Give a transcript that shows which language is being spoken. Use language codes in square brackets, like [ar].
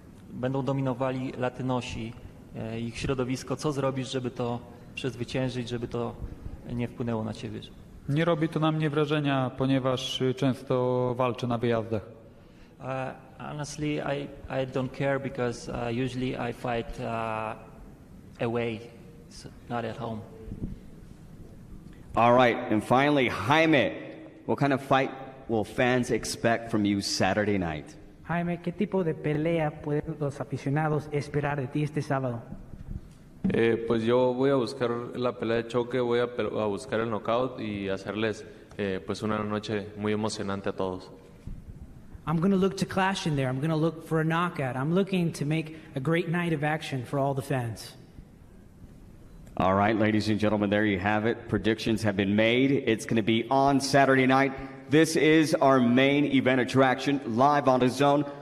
[pl] Będą dominowali Latynosi, ich środowisko. Co zrobisz, żeby to przezwyciężyć, żeby to nie wpłynęło na ciebie? Nie robi to na mnie wrażenia, ponieważ często walczę na wyjazdach. [en] Honestly, I don't care because usually I fight away, so not at home. All right, and finally, Jaime, what kind of fight will fans expect from you Saturday night? [es] Jaime, ¿qué tipo de pelea pueden los aficionados esperar de ti este sábado? Pues yo voy a buscar la pelea de choque, voy a buscar el knockout y hacerles pues una noche muy emocionante a todos. [en] I'm going to look to clash in there. I'm going to look for a knockout. I'm looking to make a great night of action for all the fans. All right, ladies and gentlemen, there you have it. Predictions have been made. It's going to be on Saturday night. This is our main event attraction live on Dazn.